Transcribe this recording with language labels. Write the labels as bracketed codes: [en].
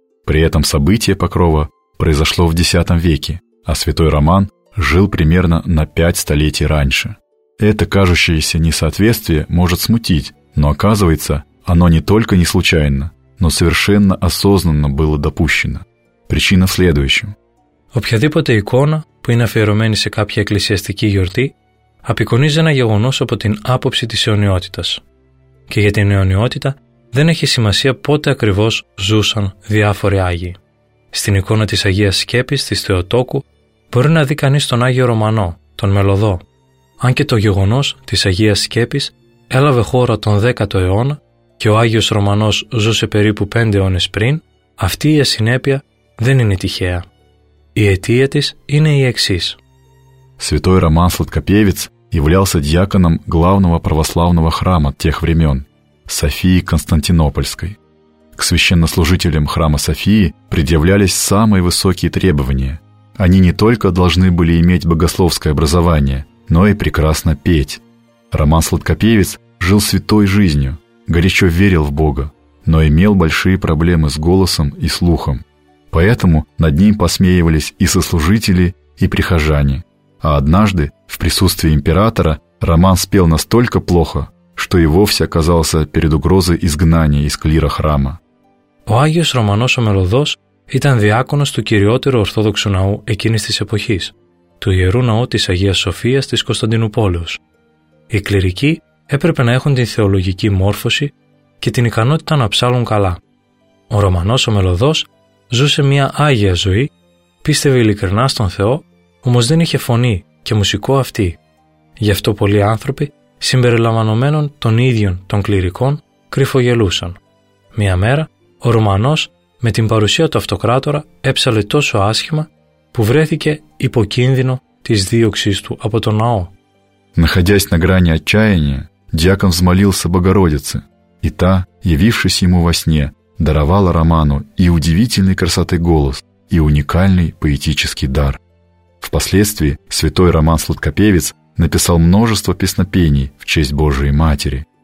[ru] При этом событие Покрова произошло в X веке, а святой Роман жил примерно на 5 столетий раньше. Это кажущееся несоответствие может смутить, но оказывается, оно не только не случайно, но совершенно осознанно было допущено. Причина в следующем. [el] Οποιαδήποτε икона, που είναι αφιερωμένη σε κάποια εκκλησιαστική γιορτή, απεικονίζει ένα γεγονός από την άποψη της αιωνιότητας. Και για την αιωνιότητα δεν έχει σημασία πότε ακριβώς ζούσαν διάφοροι Άγιοι. Στην εικόνα της Αγίας Σκέπης της Θεοτόκου μπορεί να δει κανείς τον Άγιο Ρωμανό, τον Μελωδό. Αν και το γεγονός της Αγίας Σκέπης έλαβε χώρα τον 10ο αιώνα και ο Άγιος Ρωμανός ζούσε περίπου 5 αιώνες πριν, αυτή η ασυνέπεια δεν είναι τυχαία. И этия тис ине и эксис. [ru] Святой Роман Сладкопевец являлся диаконом главного православного храма тех времен – Софии Константинопольской. К священнослужителям храма Софии предъявлялись самые высокие требования. Они не только должны были иметь богословское образование, но и прекрасно петь. Роман Сладкопевец жил святой жизнью, горячо верил в Бога, но имел большие проблемы с голосом и слухом. Поэтому над ним посмеивались и сослужители, и прихожане. А однажды, в присутствии императора, Роман спел настолько плохо, что и вовсе оказался перед угрозой изгнания из клира храма. [el] Ο Άγιος Ρωμανός ο Μελωδός ήταν διάκονος του κυριότερου Ορθόδοξου ναού εκείνης της εποχής, του Ιερού Ναού της Αγίας Σοφίας της Κωνσταντινούπολης. Οι κληρικοί έπρεπε να έχουν την θεολογική μόρφωση και την ικανότητα να ψάλουν καλά. Ο Ρωμανός ο Μελωδός ζούσε μια άγια ζωή, πίστευε ειλικρινά στον Θεό, όμως δεν είχε φωνή και μουσικό αυτή. Γι' αυτό πολλοί άνθρωποι, συμπεριλαμβανομένων των ίδιων των κληρικών, κρυφογελούσαν. Μια μέρα, ο Ρωμανός με την παρουσία του Αυτοκράτορα έψαλε τόσο άσχημα που βρέθηκε υπό κίνδυνο της δίωξής του από τον ναό. [ru] Находясь на грани отчаяния, диакон взмолился Богородице, и та, явившись ему во сне, даровала Роману и удивительной красоты голос, и уникальный поэтический дар. Впоследствии святой Роман Сладкопевец написал множество песнопений в честь Божией Матери.